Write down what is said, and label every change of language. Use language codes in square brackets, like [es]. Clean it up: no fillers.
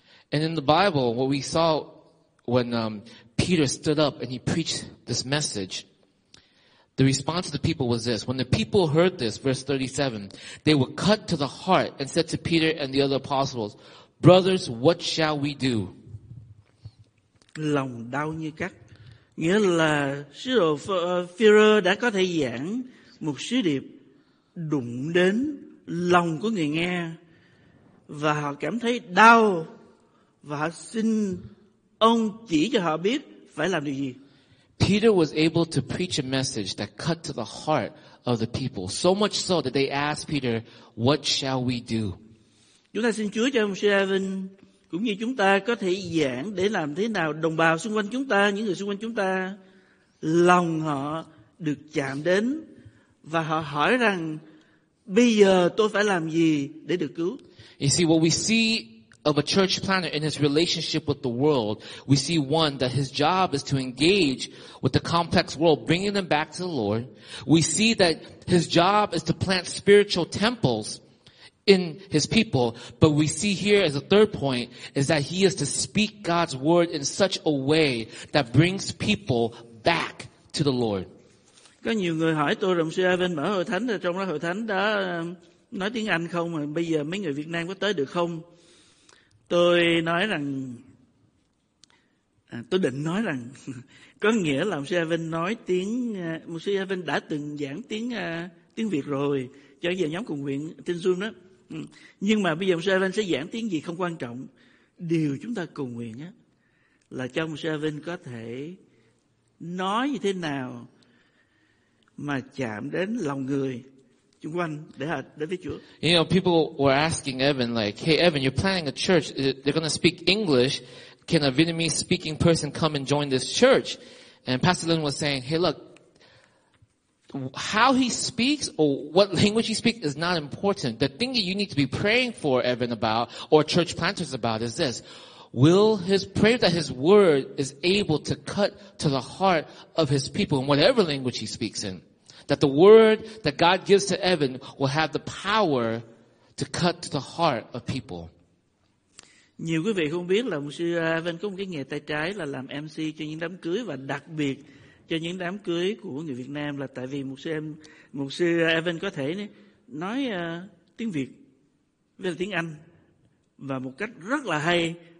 [en] And in the Bible, what we saw when Peter stood up and he preached this message, the response of the people was this. When the people heard this, verse 37, they were cut to the heart and said to Peter and the other apostles, brothers, what shall we do? [vi] Lòng đau như cắt. Nghĩa là sứ đồ Phi-rơ đã có thể giảng một sứ điệp đụng đến lòng của người nghe và họ cảm thấy đau và họ xin ông chỉ cho họ biết phải làm điều gì. [en] Peter was able to preach a message that cut to the heart of the people, so much so that they asked Peter, "What shall we do?" [vi] Chúng ta xin Chúa cho ông Stephen cũng như chúng ta có thể giảng để làm thế nào đồng bào xung quanh chúng ta, những người xung quanh chúng ta, lòng họ được chạm đến và họ hỏi rằng bây giờ tôi phải làm gì để được cứu. [en] You see, what we see of a church planner in his relationship with the world, we see one that his job is to engage with the complex world, bringing them back to the Lord. We see that his job is to plant spiritual temples in his people, but we see here as a third point is that he is to speak God's word in such a way that brings people back to the Lord. [vi] Có nhiều người hỏi tôi rằng sư Evan mở hội thánh, trong đó hội thánh đã nói tiếng Anh không, mà bây giờ mấy người Việt Nam có tới được không? Tôi nói rằng, tôi định nói rằng, có nghĩa là sư Evan nói tiếng, sư Evan đã từng giảng tiếng tiếng Việt rồi cho về nhóm cùng nguyện trên Zoom đó. Nhưng mà bây giờ sư Evan sẽ giảng tiếng gì không quan trọng. Điều chúng ta cầu nguyện á là cho sư Evan có thể nói như thế nào mà chạm đến lòng người xung quanh để họ đến với Chúa. [en] You know, people were asking Evan like, "Hey Evan, you're planning a church. They're going to speak English. Can a Vietnamese speaking person come and join this church?" And Pastor Lin was saying, "Hey, look, how he speaks or what language he speaks is not important. The thing that you need to be praying for Evan about or church planters about is this. Will his pray that his word is able to cut to the heart of his people in whatever language he speaks in? That the word that God gives to Evan will have the power to cut to the heart of people." [vi] Nhiều quý vị không biết là mục sư Evan có một cái nghề tay trái là làm MC cho những đám cưới và đặc biệt cho những đám cưới của người Việt Nam là tại vì mục sư Evan có thể nói tiếng Việt với tiếng Anh và một cách rất là hay.